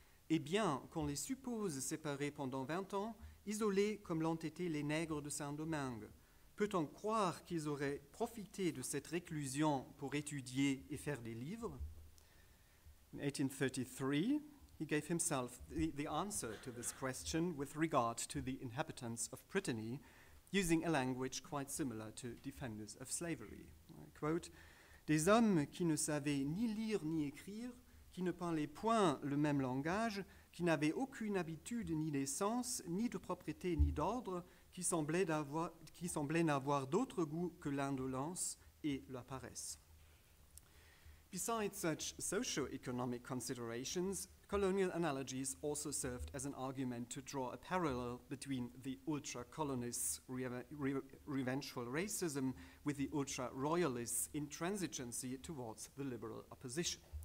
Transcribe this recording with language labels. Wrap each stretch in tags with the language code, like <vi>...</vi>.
<fr>Et bien qu'on les suppose séparés pendant 20 ans, isolés comme l'ont été les nègres de Saint-Domingue, peut-on croire qu'ils auraient profité de cette réclusion pour étudier et faire des livres?</fr> <en>In 1833, he gave himself the answer to this question with regard to the inhabitants of Brittany, using a language quite similar to defenders of slavery. I quote,</en> <fr>des hommes qui ne savaient ni lire ni écrire, qui ne parlaient point le même langage, qui n'avaient aucune habitude ni d'essence, ni de propriété ni d'ordre, qui semblaient n'avoir d'autre goût que l'indolence et la paresse.</fr> <en>Besides such socio-economic considerations, colonial analogies also served as an argument to draw a parallel between the ultra-colonists' revengeful racism with the ultra-royalists' intransigency towards the liberal opposition.</en>